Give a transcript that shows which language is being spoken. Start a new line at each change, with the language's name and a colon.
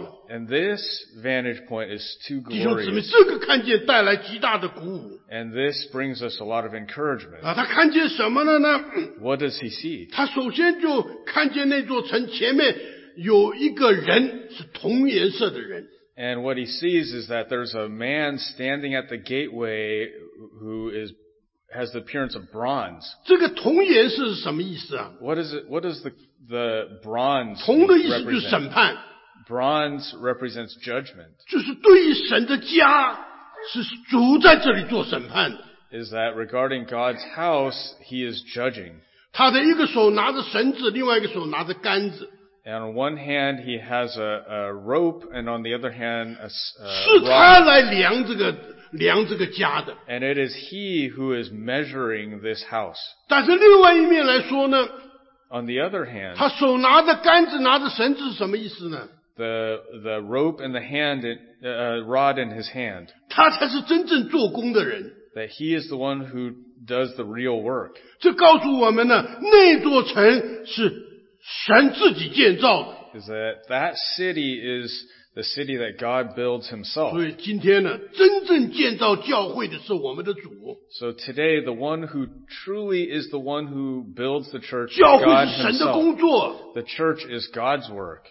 English: And this vantage point is too glorious.
Chinese: 弟兄姊妹,
English: and this brings us a lot of encouragement.
Chinese: 啊, 他看见什么了呢?
English: What does he see?
Chinese: 他首先就看见那座城前面 有一个人是同颜色的人。
English: And what he sees is that there's a man standing at the gateway who has the appearance of bronze.
Chinese: 这个同颜色是什么意思啊?
English: What does the bronze
Chinese: 同的意思就是审判。
English: represent? Bronze represents judgment.
Chinese: 就是对于神的家是主在这里做审判。
English: Is that regarding God's house, he is judging.
Chinese: 他的一个手拿着绳子，另外一个手拿着杆子。
English: And on one hand, he has a rope, and on the other hand, a rod. And it is he who is measuring this house.
Chinese: 但是另外一面来说呢,
English: on the other hand,
Chinese: 他手拿着杆子拿着绳子是什么意思呢?
English: The rope in the hand, rod in his hand.
Chinese: 他才是真正做工的人。
English: That he is the one who does the real work.
Chinese: 这告诉我们呢, 那座城是 神自己建造的,
English: is that city is the city that God builds himself.
Chinese: 所以今天呢,
English: so today, the one who truly is the one who builds the church is God himself. The church is God's work.